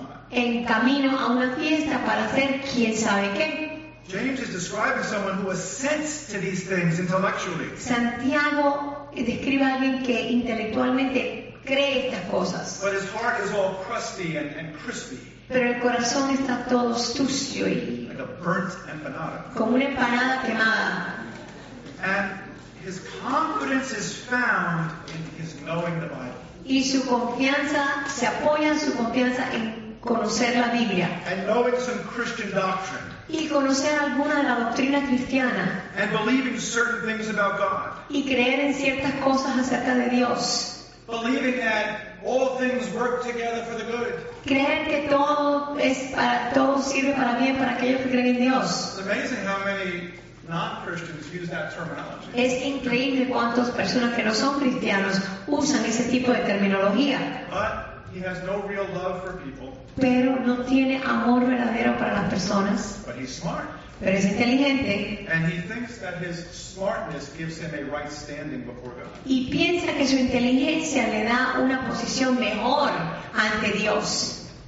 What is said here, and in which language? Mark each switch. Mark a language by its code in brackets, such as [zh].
[es] En camino a una fiesta para hacer quién sabe qué. [en] James is describing someone who assents to these things intellectually. [es] Santiago describe a alguien que intelectualmente cree estas cosas. [en] But his heart is all crusty and crispy. [es] Pero el corazón está todo sucio y como una empanada quemada. [en] And his confidence is found in his knowing the Bible. [es] Y su confianza se apoya en su confianza en conocer la Biblia. [en] And knowing some Christian doctrine. [es] Y conocer alguna de la doctrina cristiana. [en] And believing certain things about God. [es] Y creer en ciertas cosas acerca de Dios. [en] Believing that all things work together for the good. [es] Creer que todo es para todo sirve para bien para aquellos que creen en Dios. [en] It's amazing how many non-Christians use that terminology. [es] Es increíble cuántas personas que no son cristianos usan ese tipo de terminología. [en] But he has no real love for people. [es] Pero no tiene amor verdadero para las personas. [en] But he's smart. [es] Pero es inteligente. [en] And he thinks that his smartness gives him a right standing before God. [es] Y piensa que su inteligencia le da una posición mejor ante Dios.